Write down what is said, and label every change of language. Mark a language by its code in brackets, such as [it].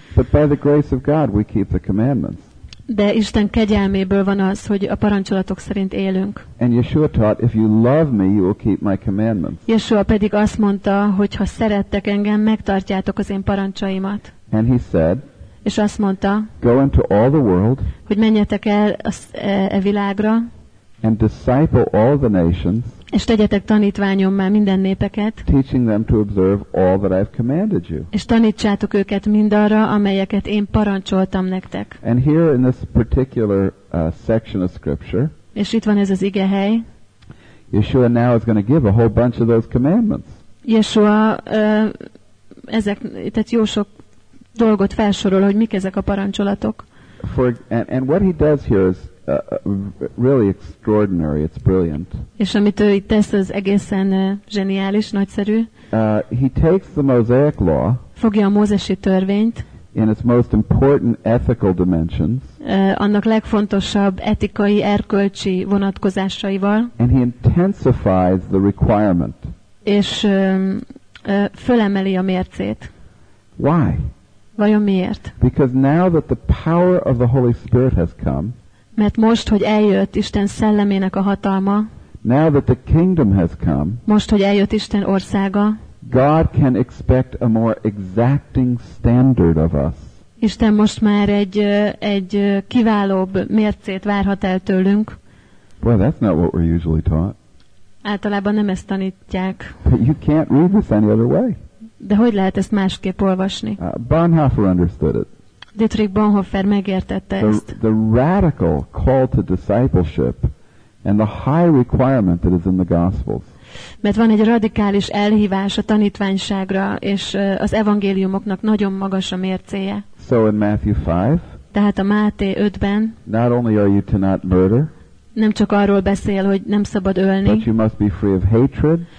[en] But by the grace of God we keep the commandments. [hu] De Isten kegyelméből van az, hogy a parancsolatok szerint élünk. [en] And Yeshua taught, if you love me, you will keep my commandments. [hu] Yeshua pedig azt mondta, hogy ha szerettek engem, megtartjátok az én parancsaimat. [en] And he said, [hu] és azt mondta, [en] go into all the world, [hu] hogy menjetek el a világra, [en] and disciple all the nations, [hu] és tegyetek tanítványommá minden népeket, [en] teaching them to observe all that I've commanded you. [hu] És tanítsátok őket mindarra, amelyeket én parancsoltam nektek. [en] And here in this particular section of scripture, [hu] és itt van ez az igehely, [en] Yeshua now is going to give a whole bunch of those commandments. [hu] Yeshua ezek, tehát jó sok dolgot felsorol, hogy mik ezek a parancsolatok. [en] And what he does here is really extraordinary, it's brilliant. [hu] És amit ő itt tesz, az egészen zseniális, nagyszerű. [en] He takes the Mosaic law, [hu] fogja a mózesi törvényt, [en] in its most important ethical dimensions, [hu] annak legfontosabb etikai, erkölcsi vonatkozásaival, [en] and he intensifies the requirement. [hu] És fölemeli a mércét. [en] Why? [hu] Vajon miért? [en] Because now that the power of the Holy Spirit has come, [hu] mert most, hogy eljött Isten szellemének a hatalma, [en] now that the kingdom has come, [hu] most, hogy eljött Isten országa, [en] God can expect a more exacting standard of us. [hu] Isten most már egy kiválóbb mércét várhat el tőlünk. [en] Well, that's not what we're usually taught. [hu] Általában nem ezt tanítják. [en] But you can't read this any other way. [hu] De hogy lehet ezt másképp olvasni? [en] Bonhoeffer understood it. [hu] Dietrich Bonhoeffer megértette ezt. [en] The radical call to discipleship and the high requirement that is in the Gospels. [hu] Mert van egy radikális elhívás a tanítványságra, és az evangéliumoknak nagyon magas a mércéje. [en] So in Matthew 5, [hu] tehát a Máté 5-ben, [en] not only are you to not murder, [hu] nem csak arról beszél, hogy nem szabad ölni, [en] but you must be free of hatred,